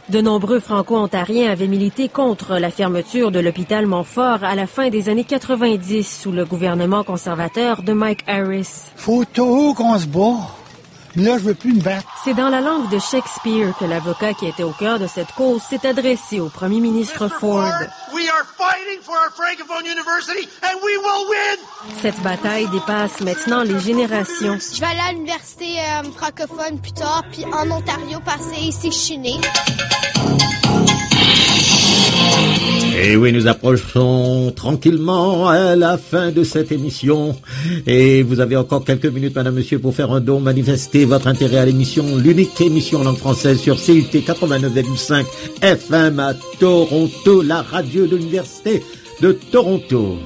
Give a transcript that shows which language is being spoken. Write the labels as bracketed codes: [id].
[fr] De nombreux Franco-Ontariens avaient milité contre la fermeture de l'hôpital Montfort à la fin des années 90 sous le gouvernement conservateur de Mike Harris. Faut tout qu'on se bat. Là, je veux plus me battre. C'est dans la langue de Shakespeare que l'avocat qui était au cœur de cette cause s'est adressé au premier ministre Ford. [en] We are fighting for our francophone university and we will win! [fr] Cette bataille dépasse maintenant les générations. Je vais aller à l'université francophone plus tard, puis en Ontario parce que c'est ici chez nous. Et oui, nous approchons tranquillement à la fin de cette émission. Et vous avez encore quelques minutes, madame, monsieur, pour faire un don, manifester votre intérêt à l'émission, l'unique émission en langue française sur CUT 89.5 FM à Toronto, la radio de l'Université de Toronto.